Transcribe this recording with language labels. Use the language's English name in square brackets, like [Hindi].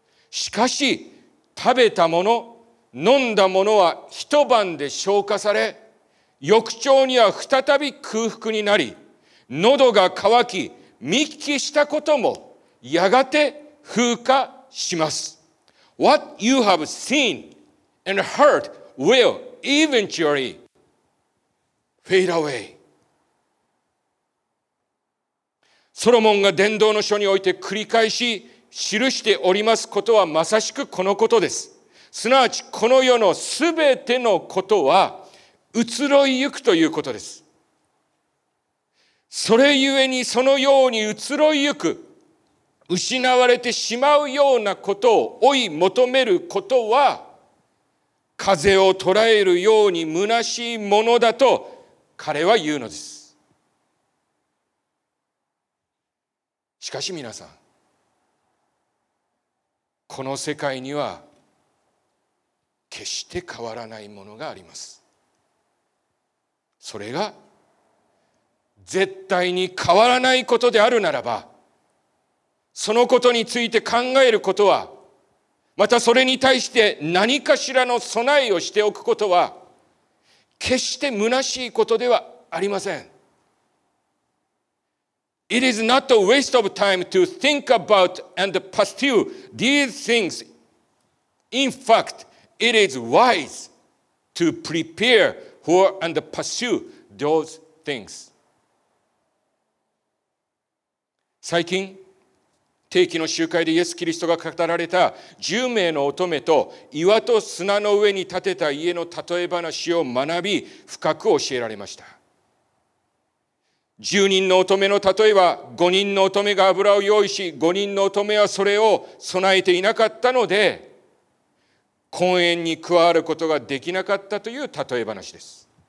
[Japanese] しかし食べたもの、飲んだものは一晩で消化され、翌朝には再び空腹になり、喉が渇き、見聞きしたこともやがて風化します。 [English] What you have seen and heard will eventually fade away. [Japanese] ソロモンが伝道の書において繰り返し記しておりますことはまさしくこのことです。すなわちこの世のすべてのことは移ろいゆくということです。それゆえにそのように移ろいゆく、失われてしまうようなことを追い求めることは、風を捉えるように虚しいものだと彼は言うのです。しかし皆さん、この世界には決して変わらないものがあります。それが絶対に変わらないことであるならば、そのことについて考えることは、またそれに対して何かしらの備えをしておくことは、決して虚しいことではありません。 [English] It is not a waste of time to think about and pursue these things. In fact, it is wise to prepare for and pursue those things. [Japanese] 最近、定期の集会でイエス・キリストが語られた10名の乙女と岩と砂の上に建てた家の例え話を学び、深く教えられました。 10人の乙女の例えは、5人の乙女が油を用意し、5人の乙女はそれを備えていなかったので、婚宴に加わることができなかったという例え話です。